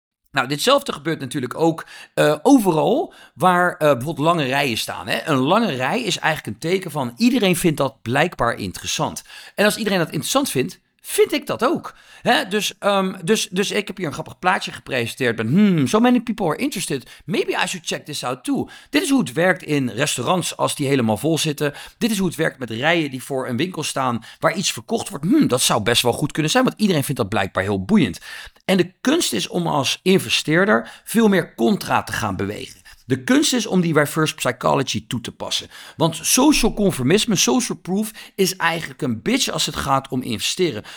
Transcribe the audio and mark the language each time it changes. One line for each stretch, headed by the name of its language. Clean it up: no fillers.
Dutch: Nou, ditzelfde gebeurt natuurlijk ook overal waar bijvoorbeeld lange rijen staan. Hè? Een lange rij is eigenlijk een teken van iedereen vindt dat blijkbaar interessant. En als iedereen dat interessant vindt, vind ik dat ook. Hè? Dus ik heb hier een grappig plaatje gepresenteerd.
English: So many people are interested. Maybe I should check this out too.
Dutch: Dit is hoe het werkt in restaurants als die helemaal vol zitten. Dit is hoe het werkt met rijen die voor een winkel staan waar iets verkocht wordt. Dat zou best wel goed kunnen zijn, want iedereen vindt dat blijkbaar heel boeiend. En de kunst is om als investeerder veel meer contra te gaan bewegen. De kunst is om die reverse psychology toe te passen. Want social conformisme, social proof, is eigenlijk een bitch als het gaat om investeren.